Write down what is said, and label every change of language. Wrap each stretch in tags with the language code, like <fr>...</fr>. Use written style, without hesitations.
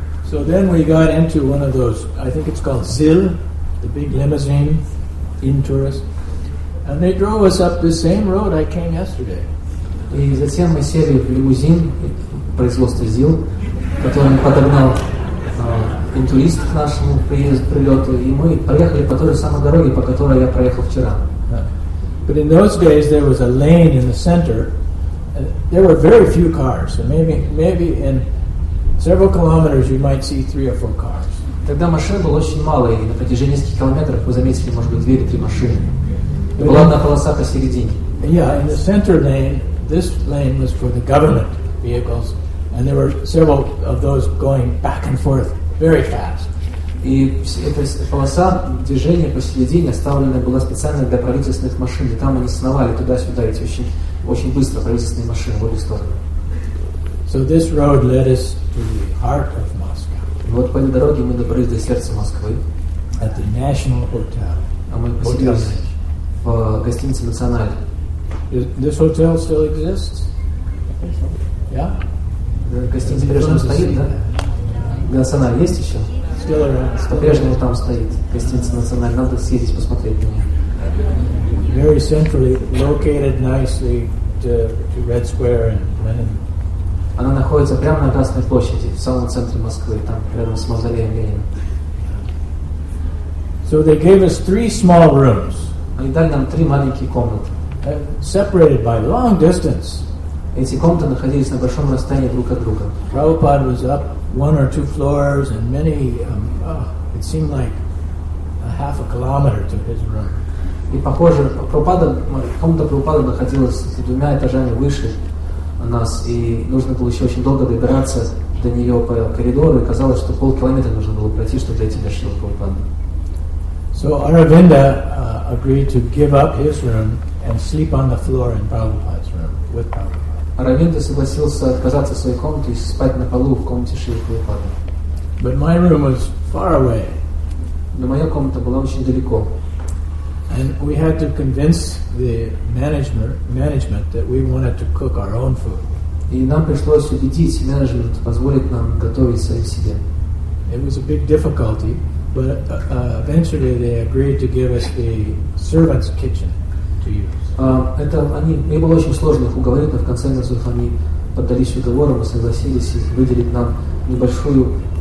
<en>So then we got into one of those, I think it's called ZIL, the big limousine, in tourist. And they drove us up the same road I came yesterday.</en> <ru>И затем мы сели в лимузин производства ZIL, который подогнал интурист к нашему прилету, и мы поехали по той самой дороге, по которой я проехал вчера.</ru> <en>But in those days there was a lane in the center. There were very few cars, so maybe in several kilometers, you might see three or four cars.</en> <ru>Тогда машин было очень мало, и на протяжении нескольких километров вы заметили, может быть, две или три машины. И была одна полоса посередине.</ru> <en>Yeah, in the center lane, this lane was for the government vehicles, and there were several of those going back and forth very fast.</en> <ru>И эта полоса движения посередине оставлена была специально для правительственных машин, и там они сновали туда-сюда эти очень, очень быстро правительственные машины в обе стороны.</ru> <en>So this road led us to the heart of Moscow.</en> <ru>Вот по этой дороге мы добрались до сердца Москвы.</ru> <en>At the National Hotel.</en> <ru>А мы поселились в гостинице Националь.</ru> <en>This hotel still exists? Yeah?</en> <ru>Гостиница по-прежнему стоит, да? Националь есть еще?</ru> <en>Still around.</en> <ru>По-прежнему там стоит гостиница Националь. Надо съездить посмотреть на нее.</ru> <en>Very centrally located nicely to Red Square and Lenin.</en> <ru>Она находится прямо на Красной площади, в самом центре Москвы, там, рядом с мавзолеем Ленина.</ru> <en>So they gave us three small rooms.</en> <ru>Они дали нам три маленькие комнаты.</ru> <en>Separated by long distance.</en> <ru>Эти комнаты находились на большом расстоянии друг от друга.</ru> <en>Prabhupada was up one or two floors and many, it seemed like a half a kilometer to his room.</en> <ru>И похоже, комната Прабхупады находилась двумя этажами выше нас, и нужно было еще очень долго добираться до нее по коридору, и казалось, что полкилометра нужно было пройти, чтобы дойти до Шрилы Прабхупады.</ru> <en>So Aravinda agreed to give up his room and sleep on the floor in Prabhupada's room with Prabhupada.</en> <ru>Aravinda согласился отказаться от своей комнаты и спать на полу в комнате Шрилы Прабхупады.</ru> <en>But my room was far away.</en> <ru>Но моя комната была очень далеко.</ru> <en>And we had to convince the management that we wanted to cook our own food.</en> <ru>И нам пришлось убедить менеджмент позволить нам готовить сами себе.</ru> <en>It was a big difficulty, but eventually they agreed to give us the servant's kitchen to use.</en> <ru>Мне было очень сложно их уговорить, но в конце концов они поддались уговору, мы согласились выделить нам небольшую</ru>